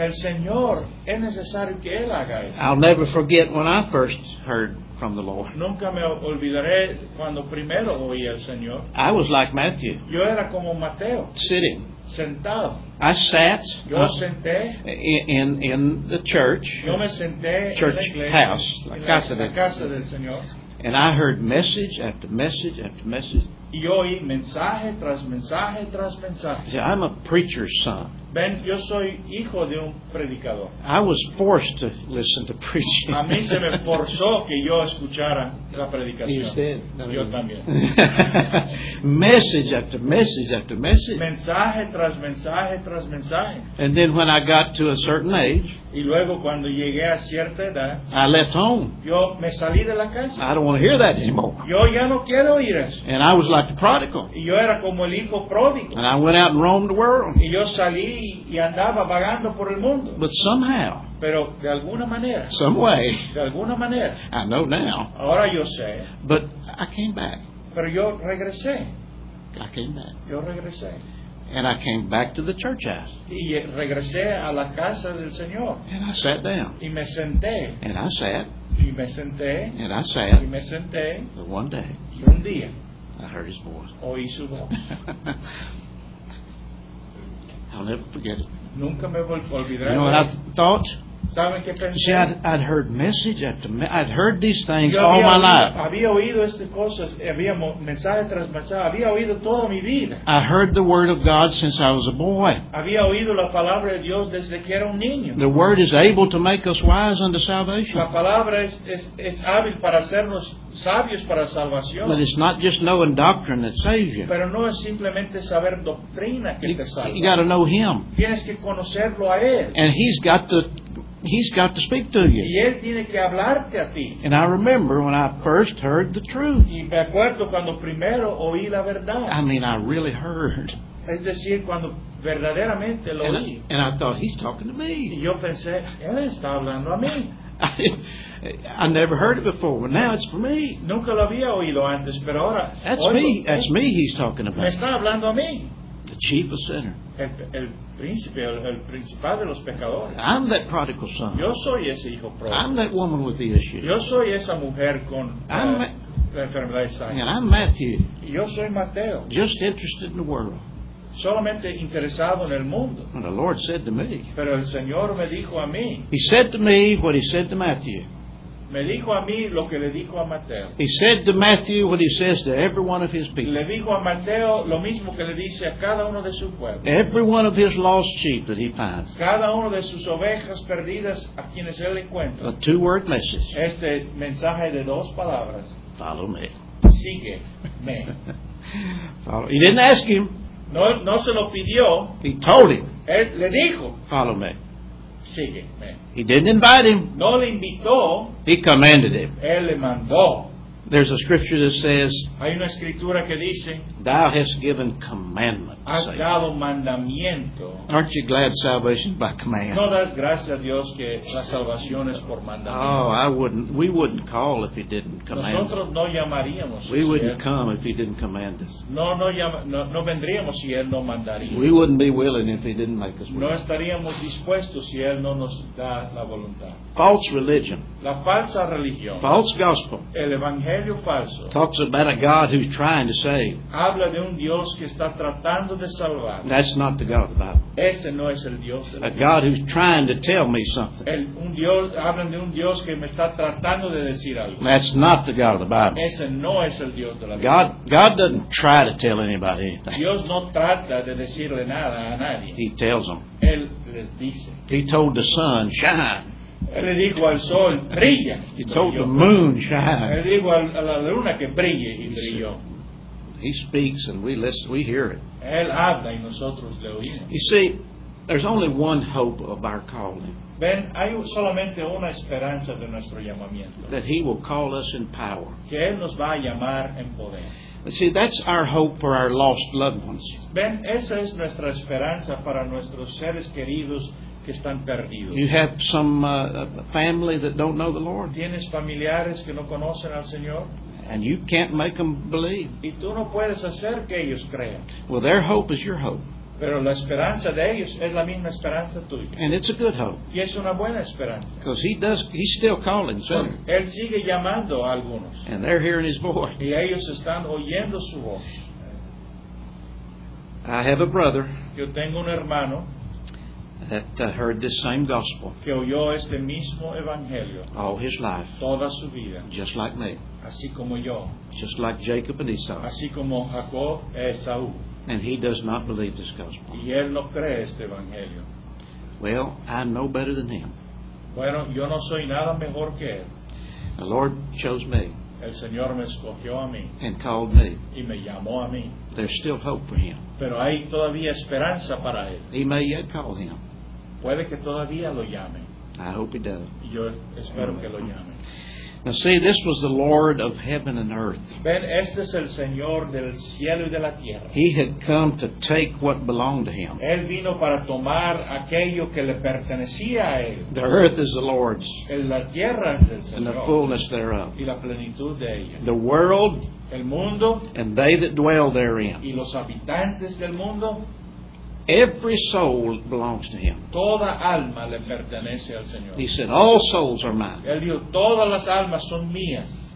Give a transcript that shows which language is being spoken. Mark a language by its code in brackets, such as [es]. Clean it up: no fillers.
[es] El Señor es necesario que él haga eso. [en] I'll never forget when I first heard from the Lord. [es] Nunca me olvidaré cuando primero oí al Señor. [en] I was like Matthew. [es] Yo era como Mateo. [en] Sitting. [es] Sentado. [en] I sat. [es] Yo senté. [en] In the church. [es] Yo me senté [en] church [es] en la iglesia, [en] house. [es] La casa del Señor. [en] And I heard message after message after message. [es] Y oí mensaje tras mensaje tras mensaje. [en] See, I'm a preacher's son. [es] Ben, yo soy hijo de un predicador. [en] I was forced to listen to preaching. [es] A mí se me forzó que yo escuchara la predicación. [en] He's dead. [es] Yo también. [en] Message after message after message. [es] Mensaje tras mensaje tras mensaje. [en] And then when I got to a certain age, [es] y luego cuando llegué a cierta edad, [en] I left home. [es] Yo me salí de la casa. [en] I don't want to hear that anymore. [es] Yo ya no quiero oír eso. [en] And I was like the prodigal. [es] Y yo era como el hijo pródigo. [en] And I went out and roamed the world. [es] Y yo salí y andaba vagando por el mundo. [en] But somehow, [es] pero de alguna manera, [en] some way, [es] de alguna manera, [en] I know now, [es] ahora yo sé, [en] but I came back. [es] Pero yo regresé. [en] I came back. [es] Yo regresé. [en] And I came back to the church house. [es] Y regresé a la casa del Señor. [en] And I sat down. [es] Y me senté. [en] And I sat. [es] Y me senté. [en] And I sat. [es] Y me senté. [en] But one day, [es] y un día, [en] I heard his voice. [es] Oí su voz. [en] I'll never forget it. [es] Nunca me olvidaré. [en] You know what I thought? [es] ¿Saben qué pensé? [en] See, I'd heard message after message. I'd heard these things all my life. [es] Había oído estas cosas. Había mensaje tras mensaje. Había oído toda mi vida. [en] I heard the word of God since I was a boy. [es] Había oído la palabra de Dios desde que era un niño. [en] The word is able to make us wise unto salvation. [es] La palabra es hábil para hacernos sabios para salvación. [en] But it's not just knowing doctrine that saves you. [es] Pero no es simplemente saber doctrina que te salva. [en] You got to know him. [es] Tienes que conocerlo a él. [en] And he's got to speak to you. [es] Y él tiene que hablarte a ti. [en] And I remember when I first heard the truth. [es] Y me acuerdo cuando primero oí la verdad. [en] I mean, I really heard. [es] Es decir, cuando verdaderamente lo [en] and [es] oí. [en] And I thought, he's talking to me. [es] Y yo pensé, él está hablando a mí. [en] I never heard it before, but now it's for me. [es] Nunca lo había oído antes, pero ahora, [en] that's me he's talking about. [es] Me está hablando a mí. [en] The chief a sinner. [es] El principal de los pecadores. [en] I'm that prodigal son. [es] Yo soy ese hijo pródigo. [en] I'm that woman with the issue. [es] Yo soy esa mujer con la enfermedad de [en] sangre. And I'm Matthew. [es] Yo soy Mateo. [en] Just interested in the world. [es] Solamente interesado en el mundo. [en] And the Lord said to me. [es] Pero el Señor me dijo a mí. [en] He said to me what he said to Matthew. [es] Me dijo a mí lo que le dijo a Mateo. [en] He said to Matthew what he says to every one of his people. [es] Le dijo a Mateo lo mismo que le dice a cada uno de su pueblo. [en] Every one of his lost sheep that he finds. [es] Cada uno de sus ovejas perdidas a quienes él encuentra. [en] A two-word message. [es] Este mensaje de dos palabras. [en] Follow me. [es] Sigue me. [en] Follow. He didn't ask him. [es] No se lo pidió. [en] He told him. [es] Él le dijo. [en] Follow me. [es] Sigue me. [en] He didn't invite him. [es] No le invitó. [en] He commanded him. [es] Él le mandó. [en] There's a scripture that says. [es] Hay una escritura que dice. [en] Thou hast given commandment. [es] Has dado mandamiento. [en] Aren't you glad salvation by command? [es] No das gracias a Dios que la salvación es por mandamiento. [en] Oh, I wouldn't. We wouldn't call if he didn't command. [es] Nosotros no llamaríamos. [en] We wouldn't come if he didn't command us. [es] No vendríamos si él no mandaría. [en] We wouldn't be willing if he didn't make us. [es] No estaríamos dispuestos si él no nos da la voluntad. [en] False religion. [es] La falsa religión. [en] False gospel. [es] El evangelio falso. [en] Talks about a God who's trying to save. [es] Habla de un Dios que está tratando de salvar. [en] That's not the God of the Bible. [es] Ese no es el Dios de la [en] Biblia. A God who's trying to tell me something. [es] Hablan de un Dios que me está tratando de decir algo. [en] That's not the God of the Bible. [es] Ese no es el Dios de la Biblia. [en] God doesn't try to tell anybody anything. [es] Dios no trata de decirle nada a nadie. [en] He tells them. [es] Él les dice. [en] He told the sun, shine. [es] Él le dijo al sol, brilla. [en] He told the moon, shine. [es] Él le dijo a la luna que brille y brilló. [en] He speaks and we listen, we hear it. [es] Él habla y nosotros le oímos. [en] You see, there's only one hope of our calling. [es] Ben, hay solamente una esperanza de nuestro llamamiento. [en] That he will call us in power. [es] Que él nos va a llamar en poder. [en] You see, that's our hope for our lost loved ones. [es] Ben, esa es nuestra esperanza para nuestros seres queridos. Que están perdidos. [en] You have some family that don't know the Lord. [es] ¿Tienes familiares que no conocen al Señor? [en] And you can't make them believe. [es] ¿Y tú no puedes hacer que ellos crean? [en] Well, their hope is your hope. [es] Pero la esperanza de ellos es la misma esperanza tuya. [en] And it's a good hope. [es] Y es una buena esperanza. [en] Because he's still calling, sir. [es] Él sigue llamando a algunos. [en] And they're hearing his voice. [es] Y ellos están oyendo su voz. [en] I have a brother. [es] Yo tengo un hermano. [en] That heard this same gospel. [es] Que oyó este mismo evangelio. [en] All his life. [es] Toda su vida. [en] Just like me. [es] Así como yo. [en] Just like Jacob and Esau. [es] Así como Jacob y Esau. [en] And he does not believe this gospel. [es] Y él no cree este evangelio. [en] Well, I know better than him. [es] Bueno, yo no soy nada mejor que él. [en] The Lord chose me. [es] El Señor me escogió a mí. [en] And called me. [es] Y me llamó a mí. [en] There's still hope for him. [es] Pero hay todavía esperanza para él. [en] He may yet call him. [es] Puede que todavía lo llame. [en] I hope he does. [es] Yo espero que lo llame. [en] Now see, this was the Lord of heaven and earth. [es] Ben, este es el Señor del cielo y de la tierra. [en] He had come to take what belonged to him. [es] Él vino para tomar aquello que le pertenecía a él. [en] The earth is the Lord's. [es] La tierra es del Señor. [en] And the fullness thereof. [es] Y la plenitud de ella. [en] The world. [es] El mundo. [en] And they that dwell therein. [es] Y los habitantes del mundo. [en] Every soul belongs to him. [es] Toda alma le pertenece al Señor. [en] He said, all souls are mine. [es] Él dijo, todas las almas son mías.